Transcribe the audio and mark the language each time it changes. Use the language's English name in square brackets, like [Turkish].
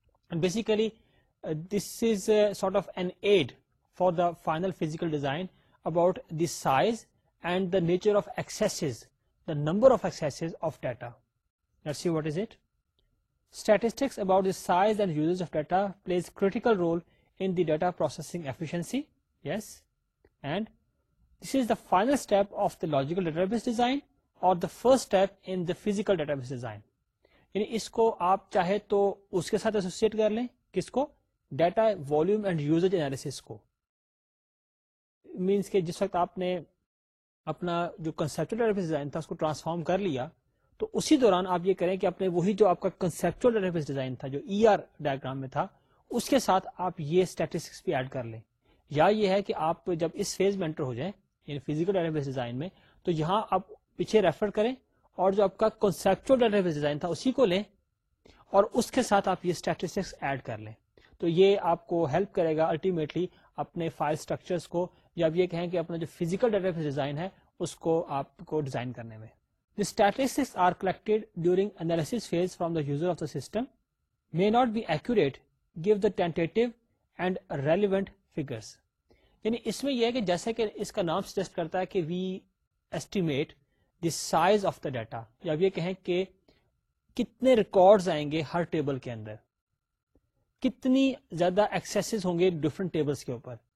[English] And basically, this is a sort of an aid for the final physical design about the size and the nature of accesses, the number of accesses of data. Let's see what is it. Statistics about the size and usage of data plays critical role in the data processing efficiency. Yes, and this is the final step of the logical database design or the first step in the physical database design. [Urdu] یعنی اس کو آپ چاہے تو اس کے ساتھ associate کر لیں. کس کو؟ Data volume and usage analysis کو. مینس کہ جس وقت آپ نے اپنا جو کنسپچل ڈیٹا بیس ڈیزائن تھا اس کو ٹرانسفارم کر لیا تو اسی دوران آپ یہ کریں کہ اپنے وہی جو آپ کا کنسپچل ڈیٹا بیس ڈیزائن تھا جو ER ڈائگرام میں تھا اس کے ساتھ آپ یہ اسٹیٹسٹکس بھی ایڈ کر لیں. یا یہ ہے کہ آپ جب اس فیز میں انٹر ہو جائیں یعنی فزیکل ڈیٹا بیس ڈیزائن میں تو یہاں آپ پیچھے ریفر کریں اور جو آپ کا کنسپچل ڈیٹا بیس ڈیزائن تھا اسی کو لیں اور اس کے ساتھ آپ یہ اسٹیٹسٹکس ایڈ کر لیں. تو یہ آپ کو ہیلپ کرے گا الٹیمیٹلی اپنے فائل اسٹرکچرس کو یا آپ یہ کہیں کہ اپنا جو فزیکل ڈیٹا بیس ڈیزائن ہے اس کو آپ کو ڈیزائن کرنے میں. [English] The statistics are collected during analysis phase from the user of the system may not be accurate, give the tentative and relevant figures. [Urdu] یعنی اس میں یہ ہے کہ جیسے کہ اس کا نام سجیسٹ کرتا ہے کہ [English] we estimate the size of the data [Urdu] یا یہ کہیں کہ کتنے ریکارڈز آئیں گے ہر ٹیبل کے اندر، کتنی زیادہ ایکسیسز ہوں گے ڈفرنٹ ٹیبلس کے اوپر.